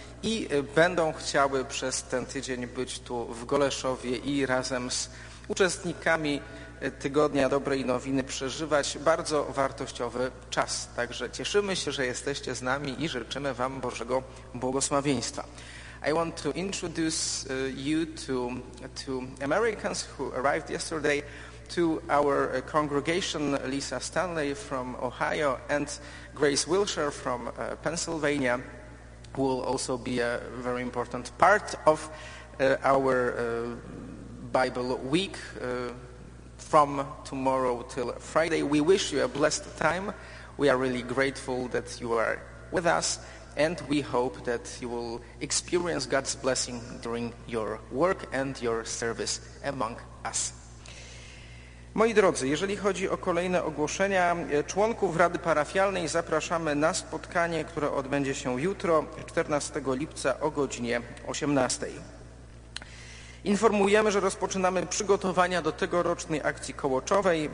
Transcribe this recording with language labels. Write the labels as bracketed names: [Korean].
[Polish] I będą chciały przez ten tydzień być tu w Goleszowie i razem z uczestnikami Tygodnia Dobrej Nowiny przeżywać bardzo wartościowy czas. Także cieszymy się, że jesteście z nami i życzymy wam Bożego błogosławieństwa. [English] I want to introduce you to Americans who arrived yesterday, to our congregation, Lisa Stanley from Ohio and Grace Wilshire from Pennsylvania, who will also be a very important part of our Bible week. From tomorrow till Friday. We wish you a blessed time. We are really grateful that you are with us, and we hope that you will experience God's blessing during your work and your service among us. [Polish] Moi drodzy, jeżeli chodzi o kolejne ogłoszenia, członków Rady Parafialnej zapraszamy na spotkanie, które odbędzie się jutro, 14 lipca o godzinie 18. Informujemy, że rozpoczynamy przygotowania do tegorocznej akcji kołoczowej.